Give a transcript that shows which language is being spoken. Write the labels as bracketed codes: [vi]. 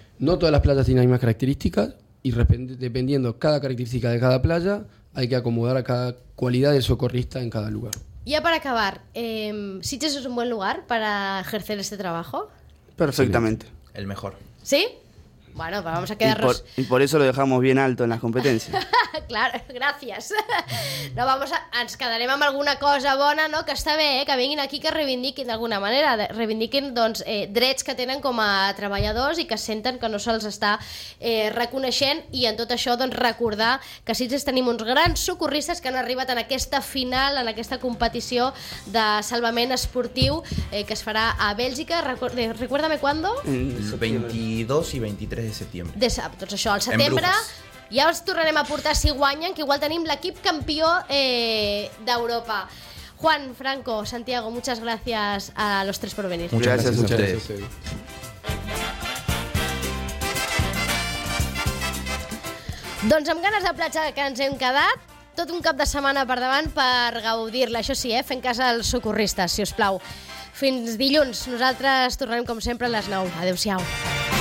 [es] No todas las playas tienen las mismas características y dependiendo cada característica de cada playa, hay que acomodar a cada cualidad de socorrista en cada lugar. Ya para acabar, ¿Siches es un buen lugar para ejercer este trabajo? Perfectamente. El mejor. ¿Sí? Bueno, pues vamos a quedarnos... Y por eso lo dejamos bien alto en las competencias. Claro, gracias. No, vamos a... [ca] Ens quedarem amb alguna cosa bona, no? Que està bé, que vinguin aquí, que reivindiquin d'alguna manera. Reivindiquin, doncs, drets que tenen com a treballadors i que senten que no se'ls està reconeixent. I en tot això, doncs, recordar que a Sitges tenim uns grans socorristes que han arribat en aquesta final, en aquesta competició de salvament esportiu que es farà a Bèlgica. [es] Recuérdame, ¿cuándo? [ca] El 22 i 23. 3 de setembre. Doncs això, al setembre ja els tornarem a portar si guanyen, que igual tenim l'equip campió d'Europa. [es] Juan, Franco, Santiago, muchas gracias a los tres por venir. Muchas gracias, muchas gracias. [ca] Doncs amb ganes de platja que ens hem quedat, tot un cap de setmana per davant per gaudir-la, això sí, fent casa als socorristes, si us plau. Fins dilluns, nosaltres tornarem com sempre a les 9. Adéu-siau.